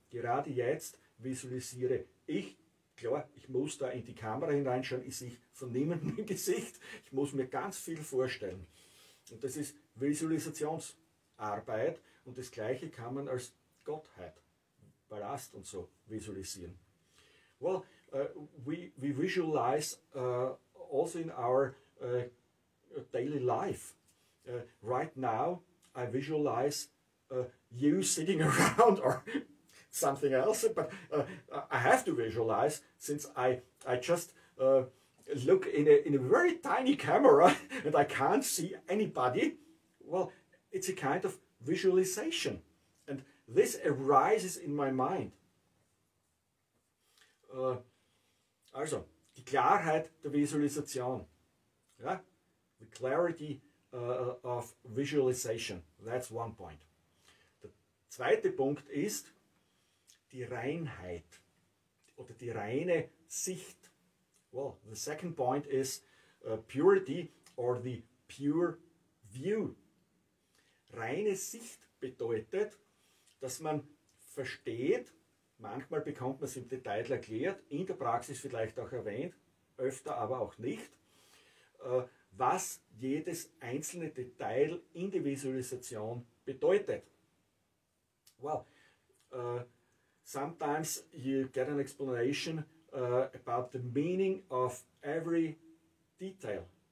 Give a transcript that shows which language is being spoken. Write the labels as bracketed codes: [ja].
[de] Gerade jetzt visualisiere ich. Klar, ich muss da in die Kamera hineinschauen, ich sehe von niemandem im Gesicht. Ich muss mir ganz viel vorstellen. Und das ist Visualisationsarbeit, und das Gleiche kann man als Gottheit, Palast und so, visualisieren. [en] Well, we visualize also in our daily life. Right now, I visualize you sitting around or something else, but I have to visualize, since I just look in a very tiny camera and I can't see anybody. Well, it's a kind of visualization, and this arises in my mind. [de] Also, die Klarheit der Visualisation. Ja? [en] The clarity of visualization. That's one point. [de] Der zweite Punkt ist die Reinheit oder die reine Sicht. [en] Well, the second point is purity or the pure view. [de] Reine Sicht bedeutet, dass man versteht, manchmal bekommt man es im Detail erklärt, in der Praxis vielleicht auch erwähnt, öfter aber auch nicht, was jedes einzelne Detail in der Visualisation bedeutet. [en] Well, sometimes you get an explanation about the meaning of every detail.